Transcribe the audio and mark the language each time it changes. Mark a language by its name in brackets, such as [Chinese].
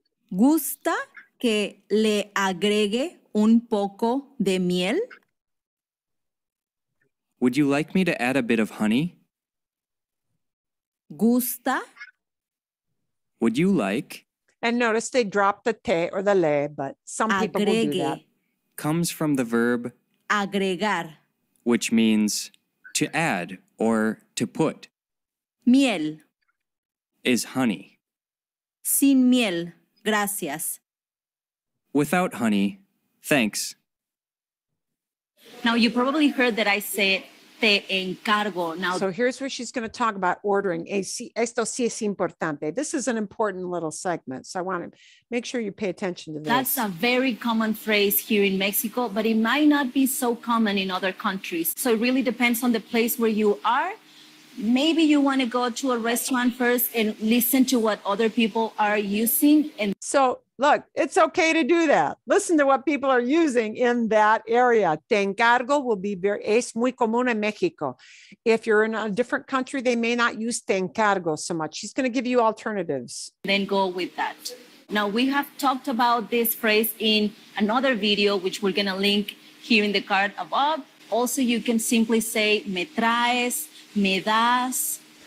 [Spanish] ¿Gusta que le agregue un poco de miel? [English] Would you like me to add a bit of honey? [Spanish] Gusta. [English] Would you like? And notice they drop the te or the le, but some [Spanish] agregue [English] people will do that. Comes from the verb [Spanish] agregar, [English] which means to add or to put. [Spanish] Miel [English] is honey. [Spanish] Sin miel, gracias. [English] Without honey, thanks. Now you probably heard that I said [Spanish] te encargo. Now, [English] so here's where she's going to talk about ordering. [Spanish] Esto sí es importante. [English] This is an important little segment. So I want to make sure you pay attention to this. That's a very common phrase here in Mexico, but it might not be so common in other countries. So it really depends on the place where you are. Maybe you want to go to a restaurant first and listen to what other people are using. And so look, it's okay to do that. Listen to what people are using in that area. Te encargo will be very, [Spanish] es muy común en México. [English] If you're in a different country, they may not use te encargo so much. She's going to give you alternatives. Then go with that. Now, we have talked about this phrase in another video, which we're going to link here in the card above. Also, you can simply say [Spanish] me traes, me das.